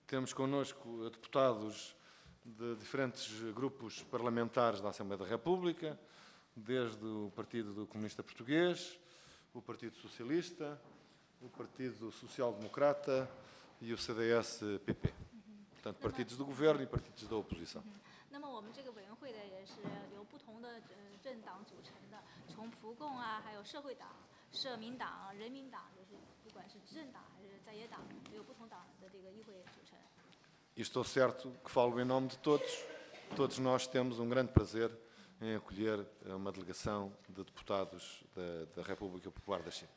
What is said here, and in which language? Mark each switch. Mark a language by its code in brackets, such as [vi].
[pt] Temos connosco deputados de diferentes grupos parlamentares da Assembleia da República, desde o Partido do Comunista Português, o Partido Socialista, o Partido Social Democrata e o CDS-PP. Portanto, partidos do governo e partidos da oposição. [zh] 那么我们这个委员会的也是由不同的政党组成的，从福共啊，还有社会党、社民党、人民党，就是不管是执政党还是在野党，都有不同党的这个议会组成。 [pt] Estou certo que falo em nome de todos. Todos nós temos um grande prazer em acolher uma delegação de deputados da República Popular da China.